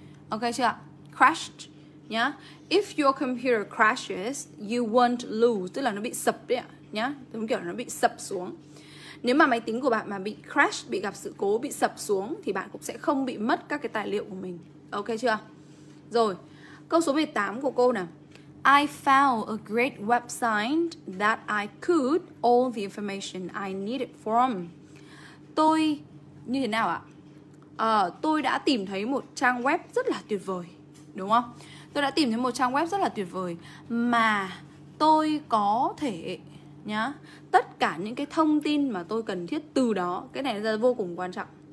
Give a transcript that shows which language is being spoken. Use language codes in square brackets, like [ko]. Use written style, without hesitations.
[vi] Ok chưa? Crashed nhá. [en] If your computer crashes, you won't lose. [vi] Tức là nó bị sập đấy ạ. Nhá, đúng kiểu nó bị sập xuống. Nếu mà máy tính của bạn mà bị crash, bị gặp sự cố, bị sập xuống thì bạn cũng sẽ không bị mất các cái tài liệu của mình. Ok chưa? Rồi, câu số 18 của cô nè. [en] I found a great website that I could all the information I needed from. [vi] Tôi như thế nào ạ? Tôi đã tìm thấy một trang web rất là tuyệt vời, đúng không? Tôi đã tìm thấy một trang web rất là tuyệt vời mà tôi có thể nhá, tất cả những cái thông tin mà tôi cần thiết từ đó, cái này là vô cùng quan trọng.